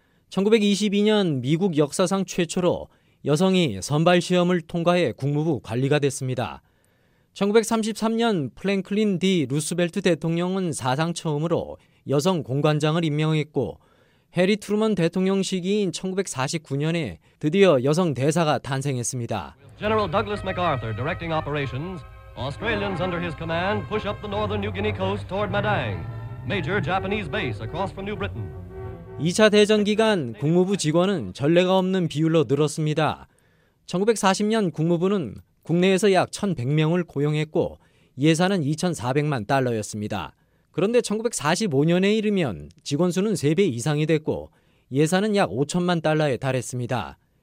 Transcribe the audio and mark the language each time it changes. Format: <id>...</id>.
<ko>1922년 미국 역사상 최초로 여성이 선발시험을 통과해 국무부 관리가 됐습니다. 1933년 프랭클린 D. 루스벨트 대통령은 사상 처음으로 여성 공관장을 임명했고 해리 트루먼 대통령 시기인 1949년에 드디어 여성 대사가 탄생했습니다.</ko> <en>General Douglas MacArthur directing operations. Australians under his command push up the northern New Guinea coast toward Madang. Major Japanese base across from New Britain.</en> <ko>2차 대전 기간 국무부 직원은 전례가 없는 비율로 늘었습니다. 1940년 국무부는 국내에서 약 1,100명을 고용했고 예산은 2,400만 달러였습니다. 그런데 1945년에 이르면 직원 수는 3배 이상이 됐고 예산은 약 5천만 달러에 달했습니다.</ko>